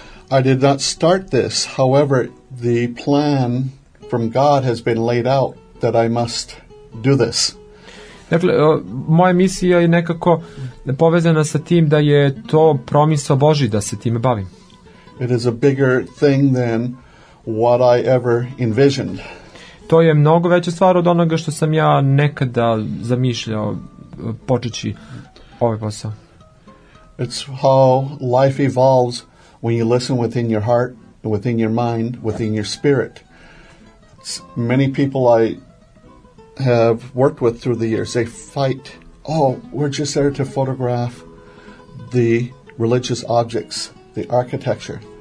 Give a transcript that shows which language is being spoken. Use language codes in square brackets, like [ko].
[en] I did not start this, however, the plan from God has been laid out that I must do this. [sr] Dakle, moja misija je nekako povezana sa tim da je to promisao Boži da se time bavim. [en] It is a bigger thing than what I ever envisioned. [sr] To je mnogo veća stvar od onoga što sam ja nekada zamišljao počeći ovaj posao. [en] It's how life evolves when you listen within your heart, within your mind, within your spirit. Many people I have worked with through the years, they fight, oh, we're just there to photograph the religious objects, the architecture.